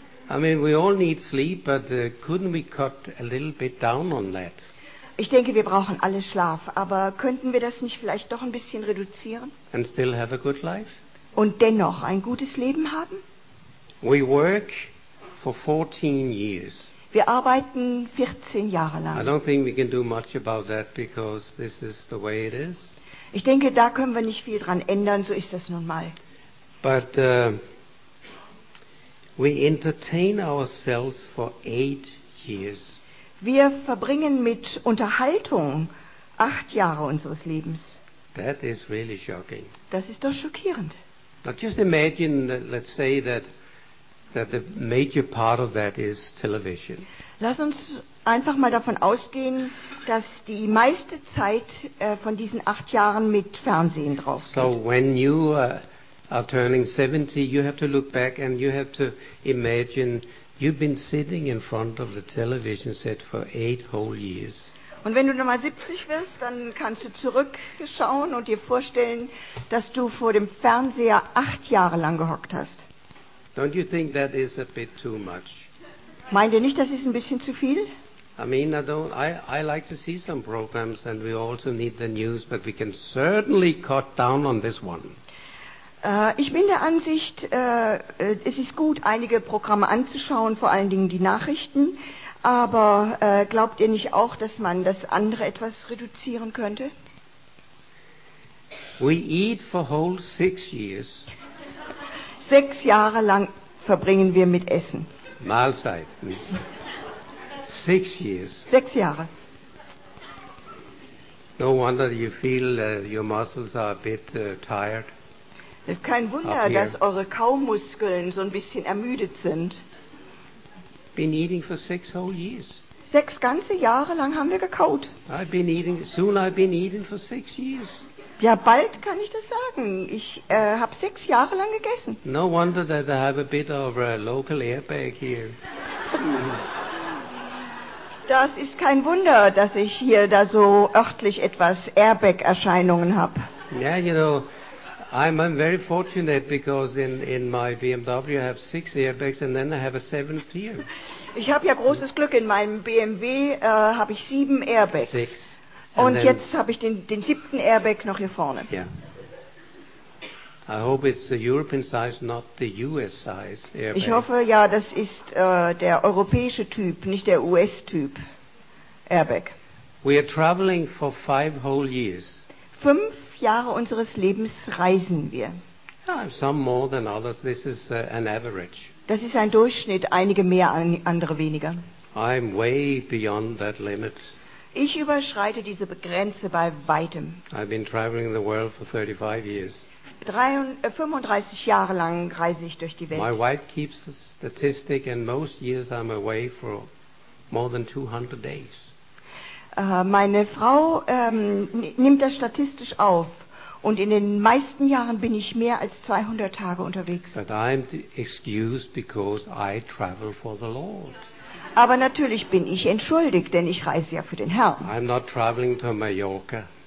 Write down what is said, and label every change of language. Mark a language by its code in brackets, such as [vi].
[en] I mean, we all need sleep, but couldn't we cut a little bit down on that? [de] Ich denke, wir brauchen alle Schlaf, aber könnten wir das nicht vielleicht doch ein bisschen reduzieren? [en] And still have a good life? [de] Und dennoch ein gutes Leben haben? [en] We work for 14 years. [de] Wir arbeiten 14 Jahre lang. [en] I don't think we can do much about that because this is the way it is. [de] Ich denke, da können wir nicht viel dran ändern, so ist das nun mal. [en] But we entertain ourselves for 8 years. [de] Wir verbringen mit Unterhaltung 8 Jahre unseres Lebens. [en] That is really shocking. [de] Das ist doch schockierend. [en] Now just imagine that, let's say that the major part of that is television. [de] Lass uns einfach mal davon ausgehen, dass die meiste Zeit von diesen 8 Jahren mit Fernsehen drauf geht. [en] So when you are turning 70, you have to look back and you have to imagine you've been sitting in front of the television set for 8 whole years. [de] Und wenn du nochmal 70 wirst, dann kannst du zurückschauen und dir vorstellen, dass du vor dem Fernseher 8 Jahre lang gehockt hast. [en] Don't you think that is a bit too much? [de] Meint ihr nicht, das ist ein bisschen zu viel? [en] I mean, I like to see some programs and we also need the news, but we can certainly cut down on this one. [de] Ich bin der Ansicht, es ist gut, einige Programme anzuschauen, vor allen Dingen die Nachrichten. Aber glaubt ihr nicht auch, dass man das andere etwas reduzieren könnte? [en] We eat for whole 6 years. [de] 6 Jahre lang verbringen wir mit Essen. Mahlzeiten. [en] 6 years. [de] 6 Jahre. [en] No wonder you feel your muscles are a bit tired. [de] Es ist kein Wunder, dass eure Kaumuskeln so ein bisschen ermüdet sind. [en] Been eating for 6 whole years. [de] 6 ganze Jahre lang haben wir gekaut. [en] I've been eating for 6 years. [de] Ja, bald kann ich das sagen. Ich habe 6 Jahre lang gegessen. [en] No wonder that I have a bit of a local airbag here. [de] Das ist kein Wunder, dass ich hier da so örtlich etwas Airbag-Erscheinungen habe. [en] Yeah, you know, I'm very fortunate because in my BMW I have 6 airbags and then I have a 7th here. [de] Ich habe ja großes Glück, in meinem BMW habe ich 7 Airbags. [en] 6. [de] Und jetzt habe ich den 7. Airbag noch hier vorne. Yeah. [en] I hope it's the European size, not the US size airbag. [de] Ich hoffe ja, das ist der europäische Typ, nicht der US-Typ Airbag. [en] We are traveling for 5 whole years. [de] 5 Jahre unseres Lebens reisen wir. [en] Some more than others. This is an average. [de] Das ist ein Durchschnitt, einige mehr, andere weniger. [en] I'm way beyond that limit. [de] Ich überschreite diese Grenze bei weitem. [en] I've been traveling the world for 35 years. [de] 35 Jahre lang reise ich durch die Welt. [en] My wife keeps the statistic and most years I'm away for more than 200 days. [de] Meine Frau nimmt das statistisch auf und in den meisten Jahren bin ich mehr als 200 Tage unterwegs. [en] But I'm excused because I travel for the Lord. [de] Aber natürlich bin ich entschuldigt, denn ich reise ja für den Herrn. [en] I'm not traveling to Mallorca.